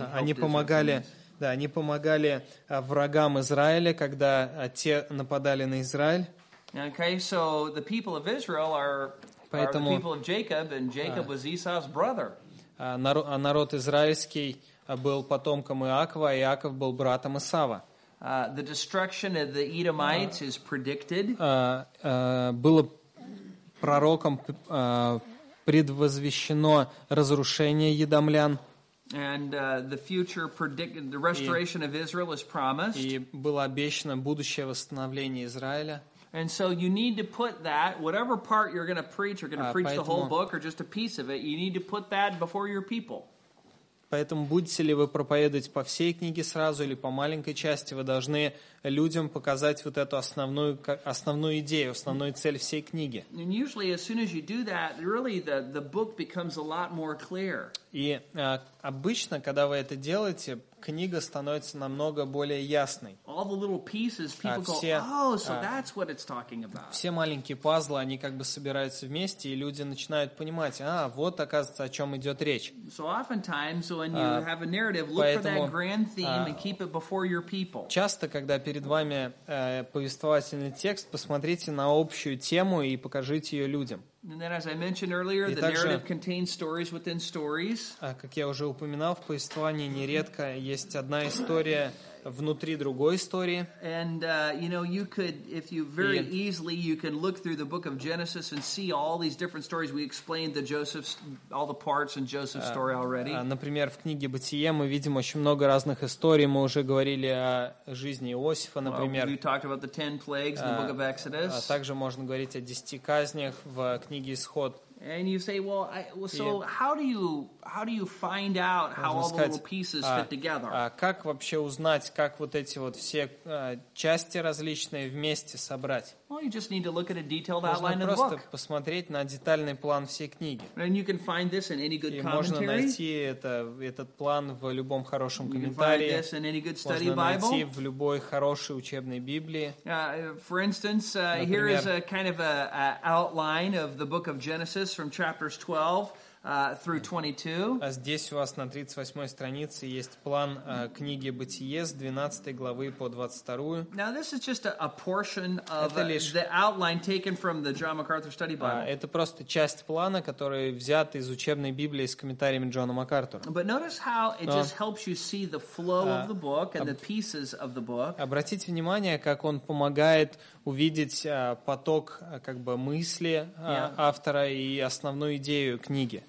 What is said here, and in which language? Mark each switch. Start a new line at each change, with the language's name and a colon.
Russian: Они помогали, да, они помогали врагам Израиля, когда те нападали на Израиль.
English: Okay, so the people of Israel are
Russian: поэтому,
English: the people of Jacob, and Jacob was Esau's brother.
Russian: Народ израильский был потомком Иакова, а Иаков был братом Исава.
English: The destruction of the Edomites is predicted.
Russian: Было пророком предвозвещено разрушение едомлян.
English: And the future the restoration of Israel is promised.
Russian: И было обещано будущее восстановление Израиля.
English: And so you need to put that, whatever part you're going to preach, you're going to preach
Russian: поэтому,
English: the whole book or just a piece of it, you need to put that before your people.
Russian: Поэтому будете ли вы проповедовать по всей книге сразу или по маленькой части, вы должны людям показать вот эту основную идею, основную цель всей книги.
English: And usually as soon as you do that, really the book becomes a lot more clear.
Russian: И обычно, когда вы это делаете, книга становится намного более ясной.
English: All the little pieces, people go, oh, so that's what it's talking about.
Russian: Все маленькие пазлы, они как бы собираются вместе, и люди начинают понимать, вот, оказывается, о чем идет речь.
English: So oftentimes, when you have a narrative, look for that grand theme and keep it before your people.
Russian: Часто, когда перед вами повествовательный текст, посмотрите на общую тему и покажите ее людям.
English: And then, as I mentioned earlier, the narrative contains stories within stories.
Russian: Как я уже упоминал, в повествовании нередко есть одна история внутри другой истории.
English: And you know, you could, if you very easily, you can look through the book of Genesis and see all these different stories. We explained the Joseph's, all the parts in Joseph's story already.
Russian: Например, в книге Бытие мы видим очень много разных историй. Мы уже говорили о жизни Иосифа, например.
English: Well, we talked about the 10 plagues in the book of Exodus.
Russian: Также можно говорить о 10 казнях в книге Исход.
English: And you say, well, how do you find out how all the little pieces fit together?
Russian: Как вообще узнать, как вот эти вот все части различные вместе собрать?
English: Well, you just need to look at a detailed outline of the book.
Russian: Просто посмотреть на детальный план всей книги.
English: And you can find this in any good commentary.
Russian: И можно найти этот план в любом хорошем комментарии.
English: You can find this in any good study Bible.
Russian: Можно найти в любой хорошей учебной Библии.
English: For instance, here is a kind of a outline of the book of Genesis from chapters 12 through 22.
Russian: А здесь у вас на 38 странице есть план книги Бытие с 12 главы по 22.
English: Now this is just a portion of the outline taken from the John MacArthur Study Bible.
Russian: Это просто часть плана, который взят из учебной Библии с комментариями Джона МакАртура.
English: But notice how it just helps you see the flow of the book and the pieces of the book.
Russian: Обратите внимание, как он помогает увидеть поток как бы мысли автора и основную идею книги.